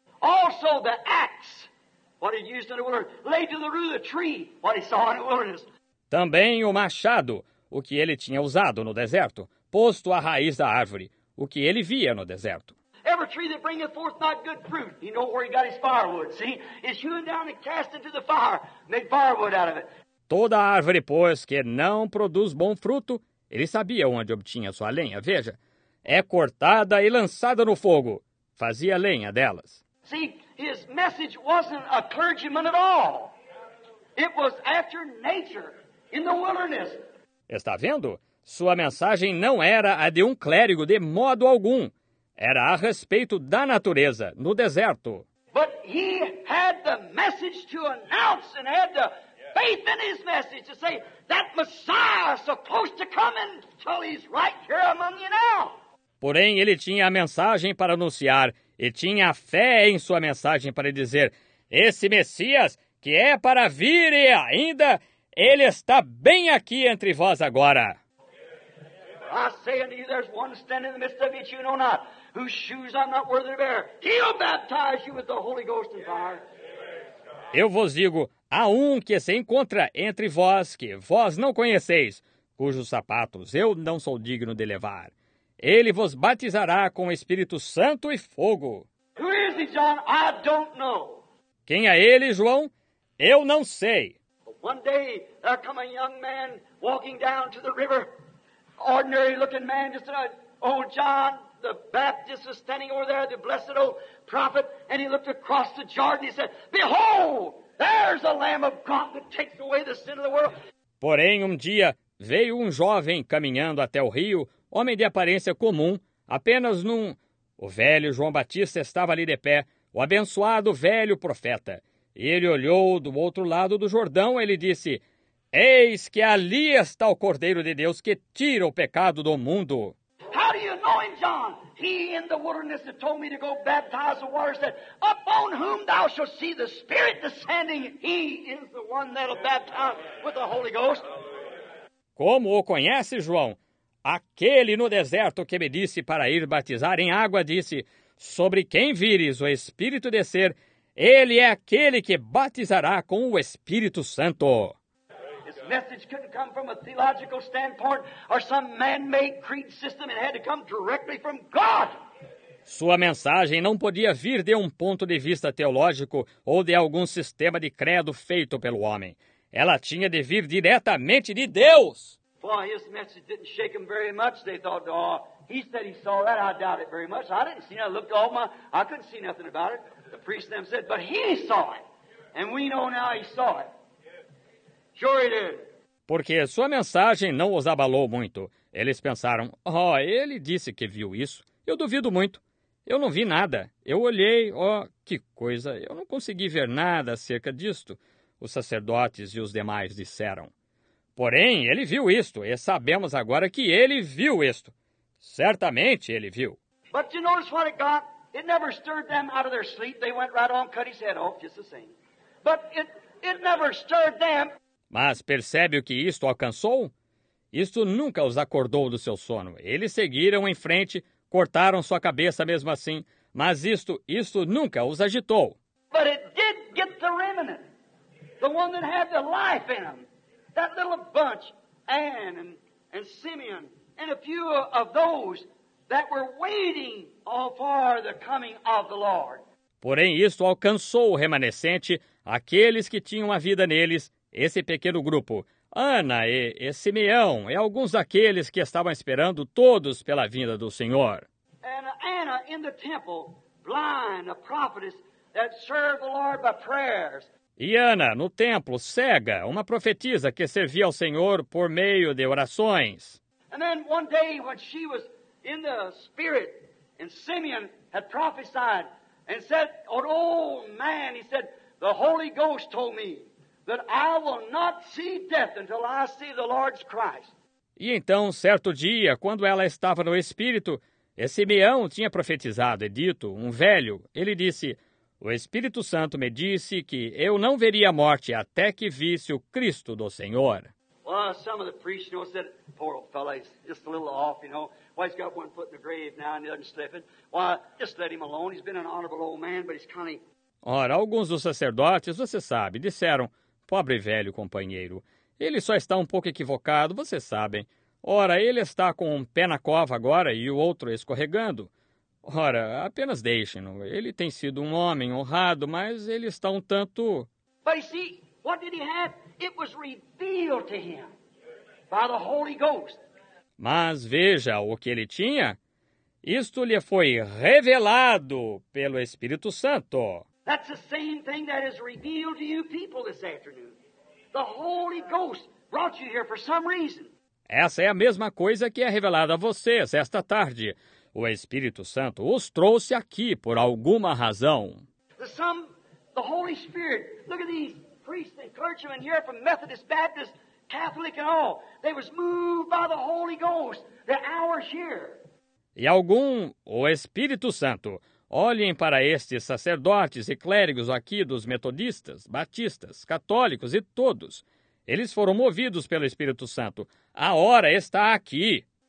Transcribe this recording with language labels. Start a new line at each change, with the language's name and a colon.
English: Also the axe, what he used in the wilderness, laid to the root of the tree, what he saw in the wilderness.
Portuguese: Também o machado, o que ele tinha usado no deserto, posto à raiz da árvore, o que ele via no deserto.
English: Every tree that bringeth forth not good fruit, he know where he got his firewood, see? It's hewn down and cast into the fire, made firewood out of it.
Portuguese: Toda árvore, pois, que não produz bom fruto, ele sabia onde obtinha sua lenha, veja. É cortada e lançada no fogo. Fazia lenha delas.
English: See, his message wasn't a clergyman at all. It was after nature, in the wilderness.
Portuguese: Está vendo? Sua mensagem não era a de um clérigo de modo algum. Era a respeito da natureza, no deserto.
English: But he had the message to announce and had the faith in his message to say that Messiah is supposed to come and tell he's right here among you now.
Portuguese: Porém, ele tinha a mensagem para anunciar e tinha fé em sua mensagem para dizer: esse Messias, que é para vir e ainda, ele está bem aqui entre vós agora.
English: I say unto you, there's one standing in the midst of you that you know not, whose shoes I'm not worthy to bear. He'll baptize you with the Holy Ghost and fire.
Portuguese: Eu vos digo, há um que se encontra entre vós que vós não conheceis, cujos sapatos eu não sou digno de levar. Ele vos batizará com o Espírito Santo e fogo.
English: Who is he, John? I don't know.
Portuguese: Quem é ele, João? Eu não sei.
English: One day there come a young man walking down to the river. Ordinary looking man, just an old John the Baptist was standing over there, the blessed old prophet, and he looked across the Jordan and he said, behold, there's the Lamb of God that takes away the sin of the world.
Portuguese: Porém, dia veio jovem caminhando até o rio, homem de aparência comum, apenas num... O velho João Batista estava ali de pé, o abençoado velho profeta. E ele olhou do outro lado do Jordão e ele disse, eis que ali está o Cordeiro de Deus que tira o pecado do mundo.
English: How do you know him, John? He in the wilderness that told me to go baptize the water said, upon whom thou shalt see the Spirit descending, he is the one that'll baptize with the Holy Ghost.
Portuguese: Como o conhece, João? Aquele no deserto que me disse para ir batizar em água disse, sobre quem vires o Espírito descer, ele é aquele que batizará com o Espírito Santo.
English: This message couldn't come from a theological standpoint or some man-made creed system. It had to come directly from God.
Portuguese: Sua mensagem não podia vir de ponto de vista teológico ou de algum sistema de credo feito pelo homem. Ela tinha de vir diretamente de Deus.
English: Boy, his message didn't shake them very much. They thought, oh, he said he saw that. I doubt it very much. I didn't see it. I looked all my, I couldn't see nothing about it. The priest them said, but he saw it. And we know now he saw it. Sure he did.
Portuguese: Porque sua mensagem não os abalou muito. Eles pensaram, oh, ele disse que viu isso. Eu duvido muito. Eu não vi nada. Eu olhei, oh, que coisa. Eu não consegui ver nada acerca disto. Os sacerdotes e os demais disseram. Porém, ele viu isto, e sabemos agora que ele viu isto. Certamente ele viu.
English: But you notice what it got? It never stirred them out of their sleep. They went right on, cut his head off, just the same. But it never stirred them.
Portuguese: Mas percebe o que isto alcançou? Isto nunca os acordou do seu sono. Eles seguiram em frente, cortaram sua cabeça mesmo assim, mas isto nunca os agitou.
English: But it did get the remnant, the one that had the life in him. That little bunch, Anne and Simeon, and a few of those that were waiting all for the coming of the Lord.
Portuguese: Porém, isto alcançou o remanescente, aqueles que tinham a vida neles, esse pequeno grupo, Ana e Simeão, e alguns daqueles que estavam esperando todos pela vinda do Senhor.
English: And Anna in the temple, blind, a prophetess that served the Lord by prayers.
Portuguese: E Ana, no templo, cega, uma profetisa que servia ao Senhor por meio de orações.
English: And then one day when she was in the spirit and Simeon had prophesied and said, an old man, he said, the Holy Ghost told me that I will not see death until I see the Lord's Christ.
Portuguese: E então, certo dia, quando ela estava no espírito, e Simeão tinha profetizado e dito, velho, ele disse, o Espírito Santo me disse que eu não veria a morte até que visse o Cristo do Senhor.
English: Well, some of the priests, you know, said, poor old fellow, he's just a little off, you know. Well, he's got one foot in the grave now and the other slipping. Well, just let him alone. He's been an honorable old man, but he's kind of...
Portuguese: Ora, alguns dos sacerdotes, você sabe, disseram, pobre velho companheiro, ele só está pouco equivocado, vocês sabem. Ora, ele está com pé na cova agora e o outro escorregando. Ora, apenas deixem-no. Ele tem sido homem honrado, mas ele está tanto...
English: But you see, what did he have? It was revealed to him by the Holy Ghost.
Portuguese: Mas veja o que ele tinha. Isto lhe foi revelado pelo Espírito Santo.
English: That's the same thing that is revealed to you people this afternoon. The Holy Ghost brought you here for some reason.
Portuguese: Essa é a mesma coisa que é revelada a vocês esta tarde. O Espírito Santo os trouxe aqui por alguma razão.
English: The Holy Spirit. Look at these priests and clergymen here from Methodist, Baptist, Catholic and all. They was moved by the Holy Ghost. The hour's here.
Portuguese: E algum, o Espírito Santo, Olhem para estes sacerdotes e clérigos aqui dos metodistas, batistas, católicos e todos. Eles foram movidos pelo Espírito Santo. A hora está aqui.